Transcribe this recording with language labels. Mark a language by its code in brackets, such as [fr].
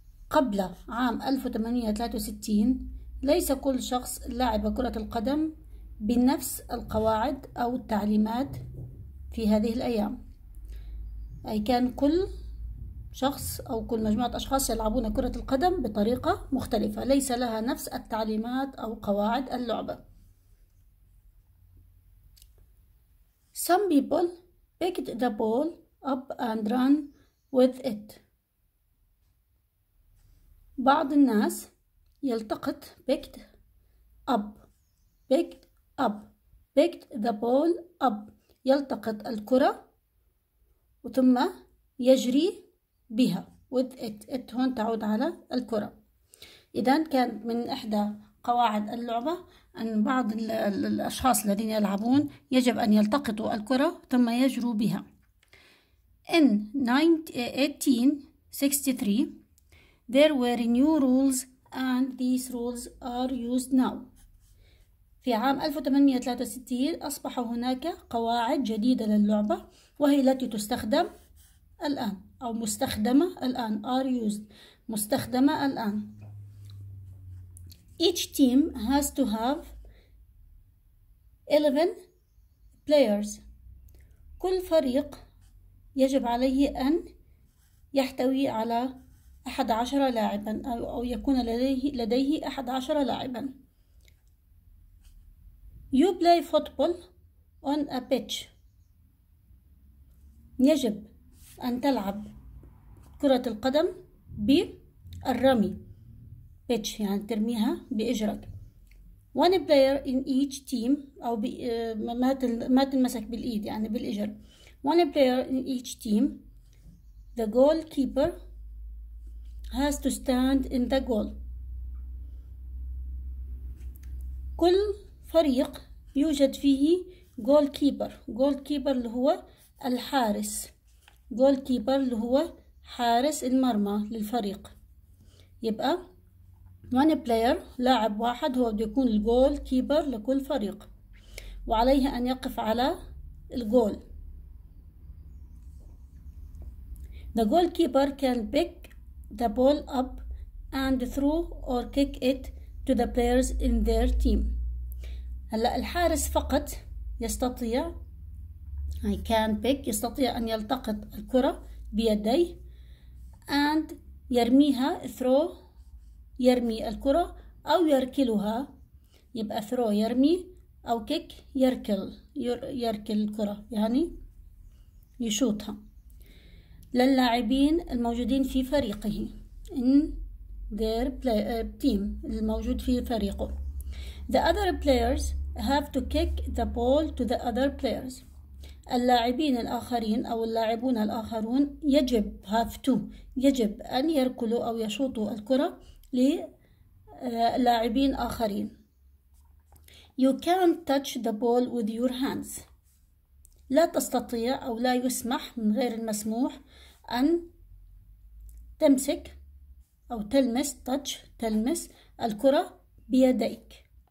[ar] قبل عام 1863 ليس كل شخص لعب كرة القدم بنفس القواعد أو التعليمات في هذه الأيام، أي كان كل شخص أو كل مجموعة أشخاص يلعبون كرة القدم بطريقة مختلفة، ليس لها نفس التعليمات أو قواعد اللعبة. [en] Some people picked the ball up and ran with it. [ar] بعض الناس يلتقط picked up، picked up، picked the ball up، يلتقط الكرة وثم يجري بها، with it، it هون تعود على الكرة. إذن كان من إحدى قواعد اللعبة أن بعض الأشخاص الذين يلعبون يجب أن يلتقطوا الكرة ثم يجروا بها. [en] In 1863 There were new rules and these rules are used now. [ar] في عام 1863 أصبح هناك قواعد جديدة للعبة وهي التي تستخدم الآن أو مستخدمة الآن are used مستخدمة الآن. [en] Each team has to have 11 players. [ar] كل فريق يجب عليه أن يحتوي على 11 لاعبا أو يكون لديه 11 لاعبا. [en] You play football on a pitch. [ar] يجب أن تلعب كرة القدم بالرمي. Pitch يعني ترميها بإجرك. One player in each team أو ما تلمسك بالإيد يعني بالإجر. [en] One player in each team. The goalkeeper has to stand in the goal. [ar] كل فريق يوجد فيه goalkeeper. Goalkeeper اللي هو الحارس. Goalkeeper اللي هو حارس المرمى للفريق. يبقى one player لاعب واحد هو بيكون goalkeeper لكل فريق. وعليه أن يقف على الجول. [en] The goalkeeper can pick the ball up and throw or kick it to the players in their team. [ar] هلأ الحارس فقط يستطيع I can pick يستطيع أن يلتقط الكرة بيديه and يرميها throw يرمي الكرة أو يركلها يبقى throw يرمي أو kick يركل الكرة يعني يشوطها للاعبين الموجودين في فريقه in their team الموجود في فريقه. [en] The other players have to kick the ball to the other players. [ar] اللاعبين الآخرين أو اللاعبون الآخرون يجب have to يجب أن يركلوا أو يشوطوا الكرة للاعبين آخرين. [en] You can't touch the ball with your hands. [ar] لا تستطيع أو لا يسمح من غير المسموح أن تمسك أو تلمس touch تلمس الكرة بيديك.